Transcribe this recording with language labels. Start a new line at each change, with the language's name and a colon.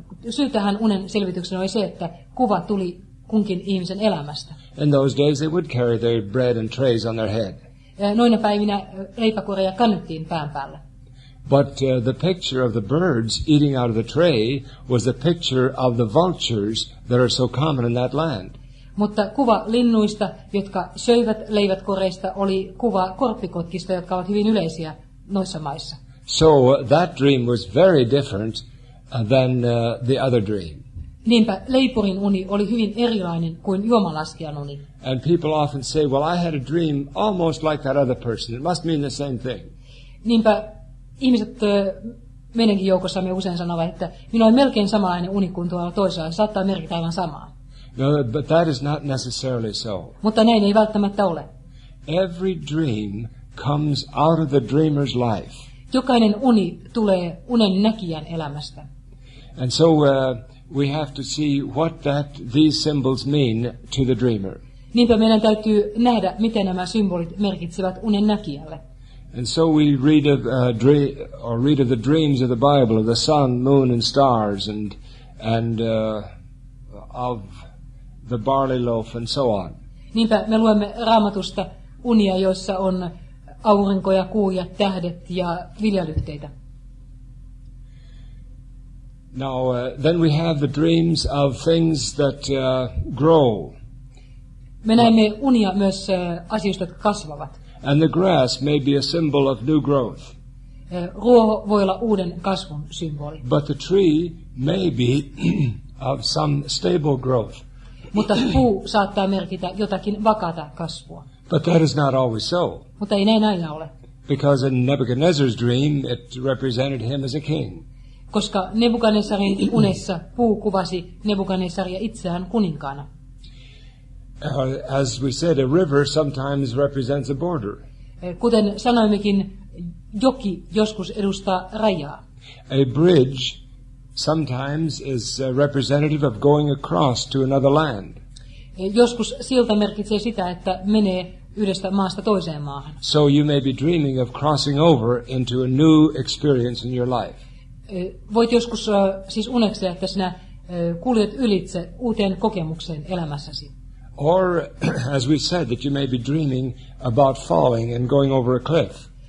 Finnish: Syytähän unen selvityksen oli se, että kuva tuli kunkin ihmisen elämästä.
English: In those days they would carry their bread and trays on their head.
Finnish: Noina päivinä leipäkuoria kannettiin pään päällä.
English: But the picture of the birds eating out of the tray was a picture of the vultures that are so common in that land.
Finnish: Mutta kuva linnuista, jotka söivät leivätkoreista, oli kuva korppikotkista, jotka ovat hyvin yleisiä noissa maissa.
English: So that dream was very different than the other dream.
Finnish: Niinpä leipurin uni oli hyvin erilainen kuin juomalaskijan uni.
English: And people often say, well, I had a dream almost like that other person. It must mean the same thing.
Finnish: Niinpä ihmiset meidänkin joukossamme usein sanovat, että minä olen melkein samanlainen uni kuin tuolla toisella. Saattaa merkitä aivan samaa.
English: No, but that is not necessarily so.
Finnish: Mutta näin ei välttämättä ole.
English: Every dream comes out of the dreamer's life.
Finnish: Jokainen uni tulee unen näkijän elämästä.
English: And so we have to see what that these symbols mean to the dreamer.
Finnish: Niinpä meidän täytyy nähdä, miten nämä symbolit merkitsevät unen näkijälle.
English: And so we read of read of the dreams of the Bible, of the sun, moon, and stars, and of the barley loaf and so on.
Finnish: Niinpä me luemme Raamatusta unia, joissa on aurinko ja kuu ja tähdet ja viljalyhteitä.
English: Now then we have the dreams of things that grow.
Finnish: Me näemme unia myös asioista, jotka kasvavat.
English: And the grass may be a symbol of new growth.
Finnish: Ruoho voi olla uuden kasvun symboli.
English: But the tree may be of some stable growth.
Finnish: Mutta puu saattaa merkitä jotakin vakaata kasvua.
English: But that is not always so.
Finnish: Mutta ei näin aina ole.
English: Because in Nebuchadnezzar's dream, it represented him as a king.
Finnish: Koska Nebukadnessarin unessa puu kuvasi Nebukadnessaria itseään kuninkaana.
English: As we said, a river sometimes represents a border.
Finnish: Kuten sanoimmekin, joki joskus edustaa rajaa.
English: A bridge sometimes is representative of going across to another land.
Finnish: Joskus silta merkitsee sitä, että menee yhdestä maasta toiseen maahan.
English: So you may be dreaming of crossing over into a new experience in your life.
Finnish: Voit joskus siis uneksia, että sinä kuljet ylitse uuteen kokemukseen elämässäsi.
English: Or, as we said, that you may be dreaming about falling and going over a cliff.